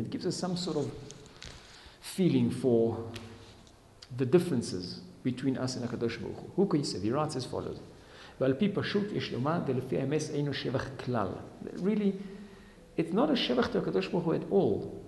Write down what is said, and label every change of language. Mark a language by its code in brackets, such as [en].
[en] It gives us some sort of feeling for the differences between us and הקדוש ברוך הוא. [he] הוא כיסב, [en] he writes as follows. [he] ועל פי פשוט יש לומר, ולפי האמס אינו שבח כלל. [en] Really, it's not a שבח to הקדוש ברוך הוא at all.